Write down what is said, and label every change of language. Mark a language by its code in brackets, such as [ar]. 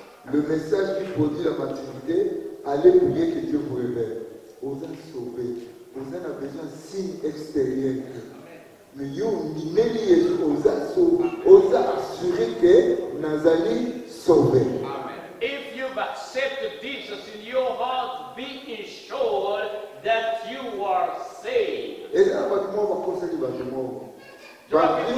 [fr] Le message qui produit la maturité, allez prier que Dieu vous révèle. Vous êtes sauvés. Vous avez besoin de signes extérieurs. Mais vous avez besoin de vous assurer que Nazali sauvé. [en] If you've accepted Jesus in your heart, be assured that you are saved. [fr] Et là, moi, je vais conseiller à moi.